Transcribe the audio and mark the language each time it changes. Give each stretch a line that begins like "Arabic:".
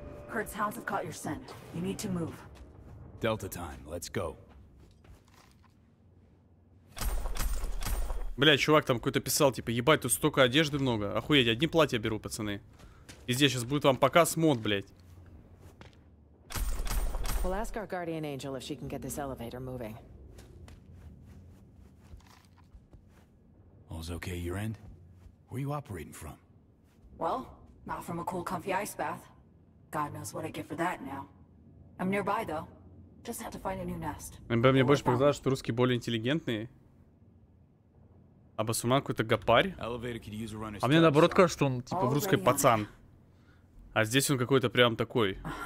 English: Kurt's hounds have caught your scent. You need to move. Delta time. Let's go.
Russian: Бля, чувак там какой-то писал, типа, ебать, тут столько одежды много. Охуеть, одни платья беру, пацаны. И здесь сейчас будет вам показ мод, блядь.
English: We'll ask our guardian angel if she can get this elevator moving. All's okay, your end? Where are you operating from? Well, not from a cool, comfy ice bath. God knows what I get for that now. I'm nearby, though. Just had to find a new nest.
Russian: Мне больше показалось, что русские более интеллигентные. А басуман какой-то гопарь. А мне наоборот кажется, что он типа в русской пацан. А здесь он какой-то прям такой.